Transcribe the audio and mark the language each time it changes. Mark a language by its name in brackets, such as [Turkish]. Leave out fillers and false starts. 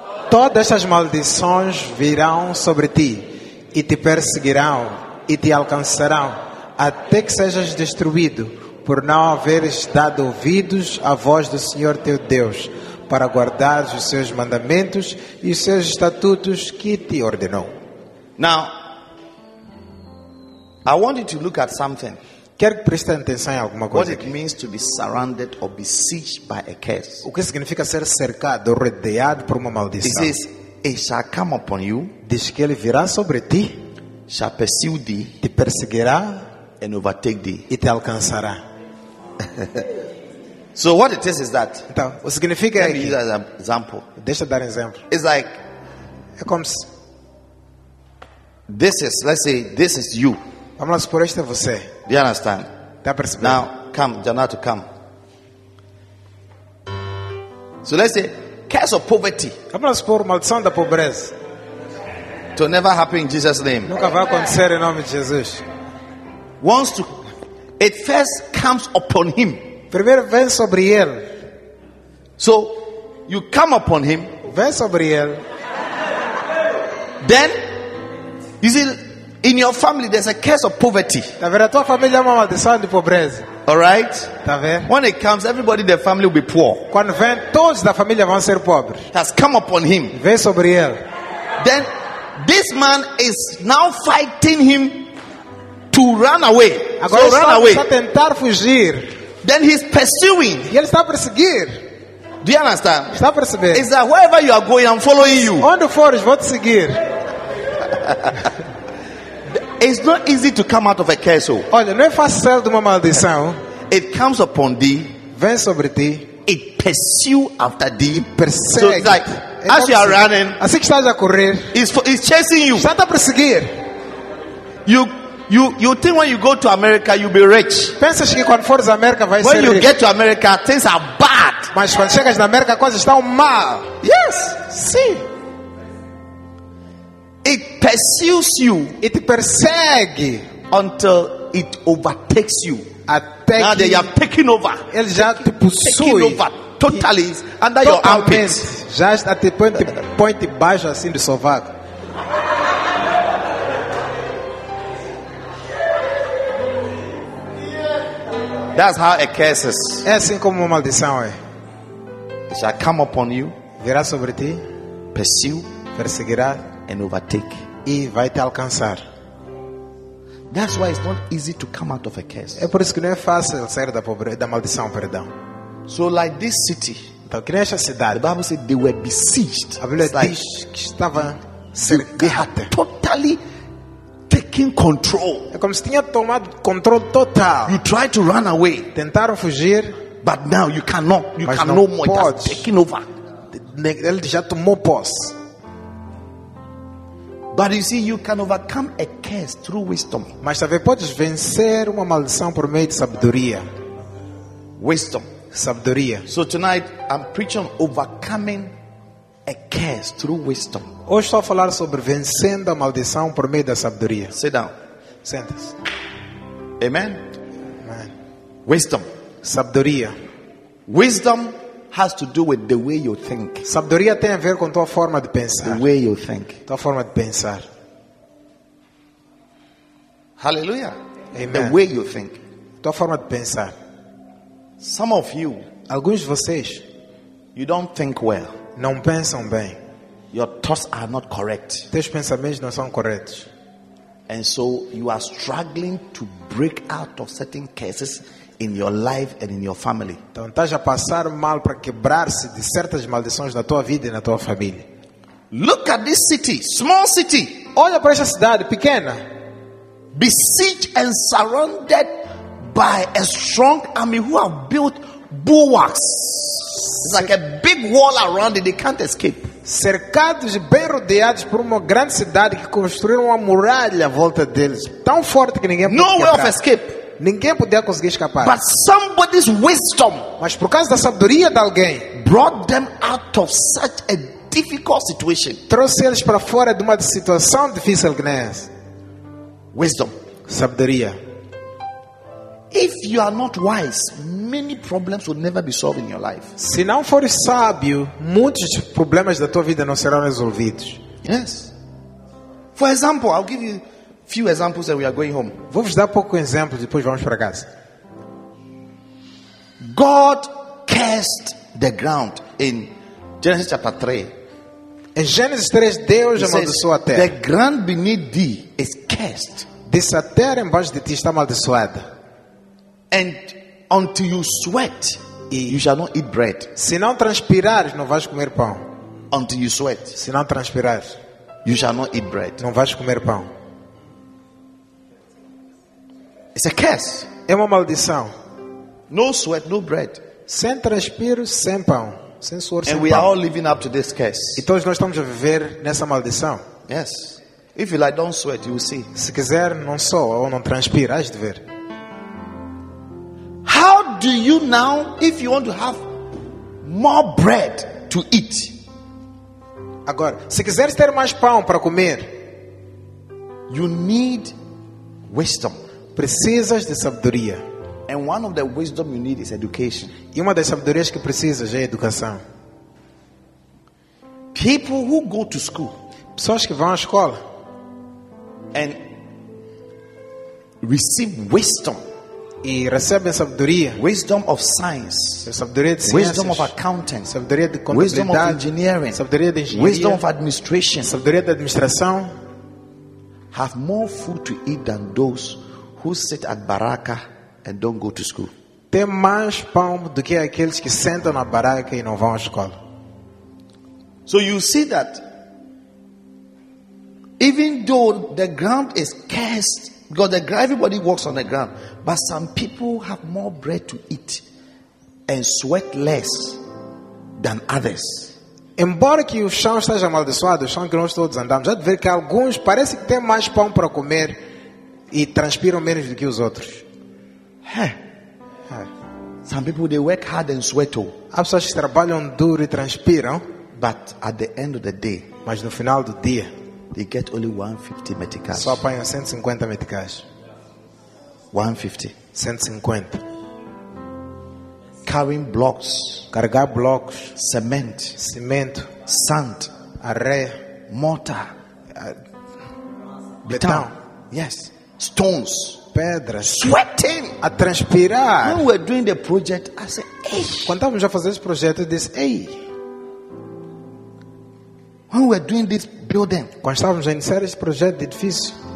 [Portuguese] Todas essas maldições virão sobre ti e te perseguirão e te alcançarão até que sejas destruído. Por não haveres dado ouvidos à voz do Senhor teu Deus, para guardares os seus mandamentos e os seus estatutos que te ordenou. [English] Now, I want you to look at something. [Portuguese] Quero que preste atenção em alguma coisa. [English] What it means to be surrounded or besieged by a curse. [Portuguese] O que significa ser cercado, rodeado por uma maldição? [English] It says, it shall come upon you. [Portuguese] Diz que ele virá sobre ti. [English] Shall pursue thee. [Portuguese] Te perseguirá. [English] And overtake thee. [Portuguese] E te alcançará. [English] So what it is that? [Portuguese] Então, o significa é que, [English] an example. [Portuguese] Deixa eu dar um exemplo. [English] It's like, [Portuguese] é como se, [English] this is, let's say, this is you. [Portuguese] Vamos lá, supor, este é você. [English] Do you understand? [Portuguese] Está a perceber? [English] Now, come, Janato, come. So let's say, curse of poverty. [Portuguese] Vamos lá, supor, maldição da pobreza. [English] To never happen in Jesus' name. [Portuguese] Nunca vai acontecer em nome de Jesus. [English] Wants to, it first comes upon him. [Portuguese] Primeiro vem sobre ele. [English] So you come upon him. [Portuguese] Vem sobre ele. [English] Then you see in your family there's a curse of poverty. [Portuguese] Tá vendo? A tua família é uma maldição de pobreza. [English] All right. [Portuguese] Tá vendo? [English] When it comes, everybody in the family will be poor. [Portuguese] Quando vem, todos da família vão ser pobres. [English] It has come upon him. [Portuguese] Vem sobre ele. [English] Then this man is now fighting him. To run away. [Portuguese] Agora [English] so run away. [Portuguese] Está a tentar fugir. [English] Then he's pursuing. [Portuguese] E ele está a perseguir. [English] Do you understand? [Portuguese] Está a perceber. [English] Is that wherever you are going, I'm following you. [Portuguese] Onde for, eu vou te seguir. [English] It's not easy to come out of a curse. [Portuguese] Olha, não é fácil sair de uma maldição. [English] It comes upon thee. [Portuguese] Vem sobre ti. [English] It pursues after thee. [Portuguese] Persegue. [English] So it's like, as you are running. [Portuguese] Assim que estás a correr. [English] It's chasing you. [Portuguese] Está a perseguir. [English] You think when you go to America you'll be rich. [Portuguese] Pensas que quando fores à América vai [English] when [Portuguese] ser [English] you [Portuguese] rico. [English] Get to America things are bad. [Portuguese] Mas quando chegas na América coisas estão mal. [English] Yes. [Portuguese] Sim. [English] It pursues you. [Portuguese] It persegue [English] until it overtakes you. [Portuguese] Até [English] now they are taking over. [Portuguese] Ele já te possui. [English] Over totally it, under your armpits. [Portuguese] Já está te ponte baixo assim do sovaco. [English] Yeah. That's how a curse is. [Portuguese] É assim como uma maldição é. [English] It shall come upon you. [Portuguese] Virá sobre ti. [English] Pursue. [Portuguese] Perseguirá. [English] And overtake. [Portuguese] E vai te alcançar. [English] That's why it's not easy to come out of a curse. [Portuguese] É por isso que não é fácil sair da pobreza, da maldição, perdão. [English] So like this city. [Portuguese] Então, que nessa cidade, [English] the Bible said they were besieged. [Portuguese] A Bíblia diz like, que estava cercada. [English] Totally taking control. [Portuguese] É como se tinha tomado controle total. [English] You try to run away. [Portuguese] Tentaram fugir, [English] but now you cannot. You can no more. It has taken over. [Portuguese] Ele já tomou posse. [English] But you see, you can overcome a curse through wisdom. [Portuguese] Mas também podes vencer uma maldição por meio de sabedoria. [English] Wisdom. [Portuguese] Sabedoria. [English] So tonight I'm preaching overcoming a curse through wisdom. [Portuguese] Hoje estou a falar sobre vencendo a maldição por meio da sabedoria. [English] Sit down. [Portuguese] Senta-se. [English] Amen. [Portuguese] Amen. [English] Wisdom. [Portuguese] Sabedoria. [English] Wisdom has to do with the way you think. [Portuguese] Sabedoria tem a ver com tua forma de pensar. [English] The way you think. [Portuguese] Tua forma de pensar. [English] Hallelujah. [Portuguese] Amen. [English] The way you think. [Portuguese] Tua forma de pensar. [English] Some of you, [Portuguese] alguns de vocês, [English] you don't think well. [Portuguese] Não pensam bem. [English] Your thoughts are not correct. [Portuguese] Teus pensamentos não são corretos. [English] And so you are struggling to break out of certain cases in your life and in your family. [Portuguese] Então estás a passar mal para quebrar-se de certas maldições na tua vida e na tua família. [English] Look at this city, small city. [Portuguese] Olha para esta cidade pequena. [English] Besieged and surrounded by a strong army who have built bulwarks. It's like a big wall around it, they can't escape. [Portuguese] Cercados e bem rodeados por uma grande cidade que construíram uma muralha à volta deles, tão forte que ninguém podia escapar. [English] No way of escape. [Portuguese] Ninguém podia conseguir escapar. [English] But somebody's wisdom, [Portuguese] mas por causa da sabedoria de alguém, [English] brought them out of such a difficult situation. [Portuguese] Trouxe eles para fora de uma situação difícil que nessa. [English] Wisdom, [Portuguese] sabedoria. [English] If you are not wise, many problems will never be solved in your life. [Portuguese] Se não fores sábio, muitos problemas da tua vida não serão resolvidos. [English] Yes. For example, I'll give you few examples and we are going home. [Portuguese] Vou-vos dar poucos exemplos e depois vamos para casa. [English] God cursed the ground in Genesis chapter 3. [Portuguese] Em Gênesis 3, Deus amaldiçoou a terra. [English] The ground beneath thee is cursed. [Portuguese] Diz, a terra embaixo de ti está amaldiçoada. [English] And until you sweat, you shall not eat bread. [Portuguese] Se não transpirares, não vais comer pão. [English] Until you sweat, [Portuguese] se não transpirares, [English] you shall not eat bread. [Portuguese] Não vais comer pão. [English] It's a curse. [Portuguese] É uma maldição. [English] No sweat, no bread. [Portuguese] Sem transpiro, sem pão. Sem suor, sem [English] and we [Portuguese] pão. [English] Are all living up to this curse. [Portuguese] E todos nós estamos a viver nessa maldição. [English] Yes. If you like, don't sweat, you will see. [Portuguese] Se quiser, não sou ou não transpiro, hás de ver. [English] How do you now, if you want to have more bread to eat? [Portuguese] Agora, se quiseres ter mais pão para comer, [English] you need wisdom. [Portuguese] Precisas de sabedoria. [English] And one of the wisdom you need is education. [Portuguese] E uma das sabedorias que precisas é educação. [English] People who go to school, [Portuguese] pessoas que vão à escola, [English] and receive wisdom. [Portuguese] E recebem sabedoria. [English] Wisdom of science. [Portuguese] Sabedoria de ciências. [English] Wisdom of accounting. [Portuguese] Sabedoria de contabilidade. [English] Wisdom of engineering. [Portuguese] Sabedoria de engenharia. [English] Wisdom of administration. [Portuguese] Sabedoria de administração. [English] Have more food to eat than those who sit at baraka and don't go to school. [Portuguese] Tem mais pão do que aqueles que sentam na baraka e não vão à escola. [English] So you see that even though the ground is cursed, because everybody walks on the ground, but some people have more bread to eat and sweat less than others. [Portuguese] Embora que o chão esteja amaldiçoado, o chão que nós todos andamos, já de ver que alguns parece que têm mais pão para comer e transpiram menos do que os outros. [English] Some people, they work hard and sweat all. [Portuguese] Há pessoas que trabalham duro e transpiram, [English] but at the end of the day, [Portuguese] mas no final do dia, [English] they get only 150 meticais. [Portuguese] Só apanham 150 meticais. [English] 150. Carrying blocks. [Portuguese] Carregar blocos. [English] Cement. [Portuguese] Cimento. [English] Sand. [Portuguese] Areia. [English] Mortar. [Portuguese] Betão. [English] Yes. Stones. [Portuguese] pedras. [English] Sweating. [Portuguese] A transpirar. [English] When we were doing the project, I said, "Hey." [Portuguese] Quando estávamos a fazer esse projeto, eu disse, "Hey." [English] When we were doing this building. [Portuguese] Quando estávamos a iniciar esse projeto de edifício.